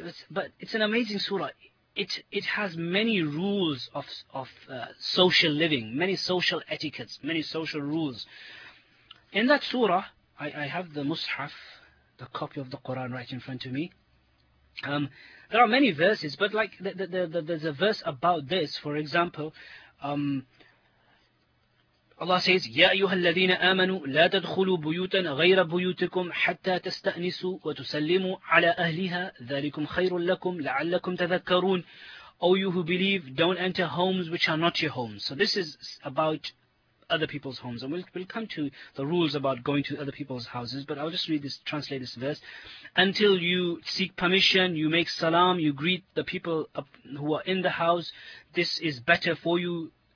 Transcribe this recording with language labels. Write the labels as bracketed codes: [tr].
[en] But it's an amazing surah. It has many rules of social living, many social etiquettes, many social rules. In that surah, I have the Mus'haf, the copy of the Quran right in front of me. There are many verses, but like there's a verse about this. For example, Allah says, [ar] يَا أَيُّهَا الَّذِينَ آمَنُوا لَا تَدْخُلُوا بُيُوتًا غَيْرَ بُيُوتِكُمْ حَتَّى تَسْتَأْنِسُوا وَتُسَلِّمُوا عَلَىٰ أَهْلِهَا ذَلِكُمْ خَيْرٌ لَكُمْ لَعَلَّكُمْ تَذَكَّرُونَ. [en] O you who believe, don't enter homes which are not your homes. So this is about other people's homes. And we'll come to the rules about going to other people's houses, but I'll just read this, translate this verse. Until you seek permission, you make salam, you greet the people who are in the house, this is better for you.